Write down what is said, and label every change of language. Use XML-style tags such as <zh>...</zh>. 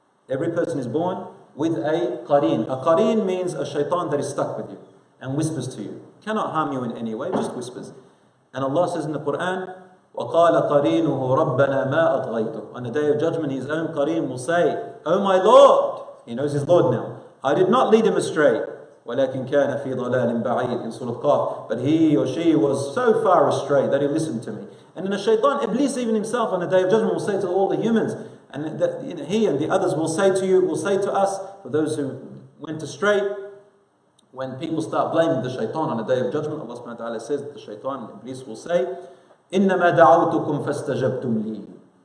<en>Every person is born with a qareen. A qareen means a shaitan that is stuck with you and whispers to you. Cannot harm you in any way, just whispers. And Allah says in the Quran, وَقَالَ قَرِينُهُ رَبَّنَا مَا أَطْغَيْتُ. On the day of judgment, his own qareen will say, oh my Lord, he knows his Lord now, I did not lead him astray.</en> <ar>وَلَكِنْ كَانَ فِي ضَلَالٍ بَعِيدٍ in Surah Qaf.</ar> <en>But he or she was so far astray that he listened to me. And in a shaitan, Iblis even himself on the day of judgment will say to all the humans, and that, you know, he and the others will say to you, will say to us, for those who went astray, when people start blaming the shaitan on the day of judgment, Allah subhanahu wa ta'ala says, the shaitan and Iblis will say, إِنَّمَا دَعَوْتُكُمْ فَاسْتَجَبْتُمْ لِي.</en>